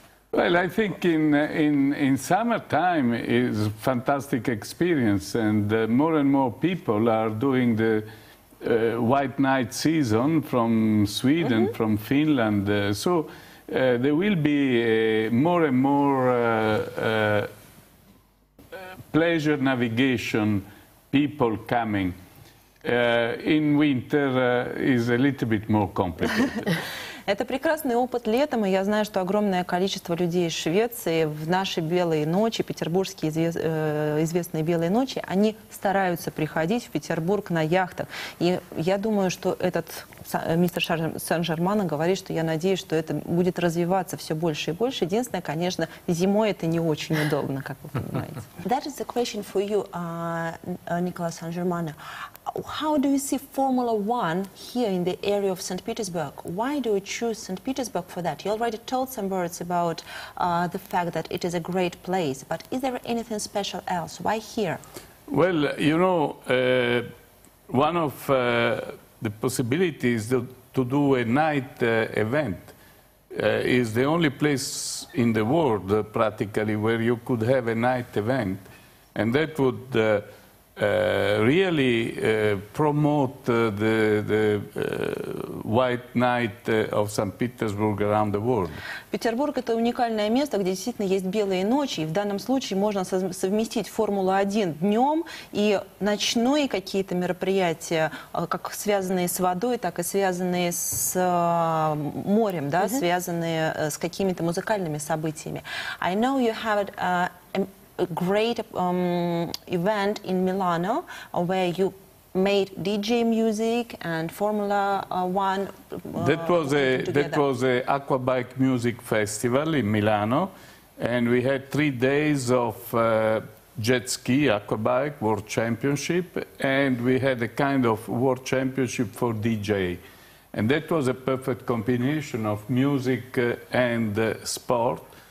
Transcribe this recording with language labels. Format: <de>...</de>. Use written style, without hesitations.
<en>Well, I think in summertime is a fantastic experience, and more and more people are doing the white night season from Sweden, mm-hmm. from Finland. So there will be more and more pleasure navigation people coming. In winter is a little bit more complicated.</en> <ru>Это прекрасный опыт летом, и я знаю, что огромное количество людей из Швеции в наши белые ночи, петербургские известные белые ночи, они стараются приходить в Петербург на яхтах. И я думаю, что этот мистер Сен-Жермано говорит, что я надеюсь, что это будет развиваться все больше и больше. Единственное, конечно, зимой это не очень удобно, как вы понимаете.</ru> <en>That is a question for you, Nicoló di San Germano. How do you see Formula One here in the area of St. Petersburg? Why do you choose St. Petersburg for that? You already told some words about the fact that it is a great place, but is there anything special else? Why here? Well, you know, one of the possibilities to do a night event is the only place in the world, practically, where you could have a night event, and that would really promote the white night of St. Petersburg around the world.</en> <ru>Петербург это уникальное место, где действительно есть белые ночи. И в данном случае можно совместить Формулу-1 днем и ночные какие-то мероприятия, как связанные с водой, так и связанные с морем, да, mm-hmm. связанные с какими-то музыкальными событиями.</ru> <en>I know you have a great event in Milano where you made DJ music and Formula One. That was a aqua bike music festival in Milano, and we had 3 days of jet ski aqua bike world championship, and we had a kind of world championship for DJ, and that was a perfect combination of music and sport.</en>